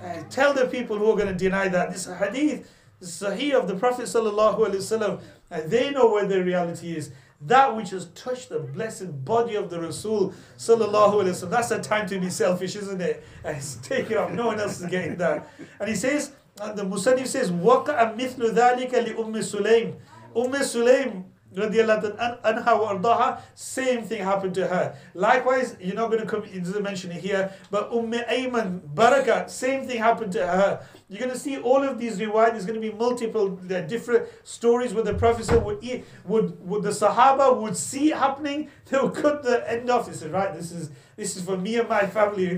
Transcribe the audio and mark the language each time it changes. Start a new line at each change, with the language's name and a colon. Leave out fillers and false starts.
English: Tell the people who are going to deny that this hadith, the Sahih of the Prophet sallallahu alaihi wasallam. And they know where the reality is. that which has touched the blessed body of the Rasul sallallahu alaihi wasallam. That's a time to be selfish, isn't it? And it's taking it off. No one else is getting that. And he says, and the Musannif says,
Arabic: وَقَعَ مِثْلُ ذَلِكَ لِأُمِّ سُلَيْمِ أُمِّ سُلَيْمِ رَضِيَ أَنْهَا وَأَرْضَهَا.
English: Same thing happened to her. Likewise, you're not going to come, he doesn't mention it here, but Ummi Ayman, Baraka, same thing happened to her. You're going to see all of these riwayat. There's going to be multiple different stories where the Prophet said, would the Sahaba would see it happening, they'll cut the end off. He said, right, this is for me and my family.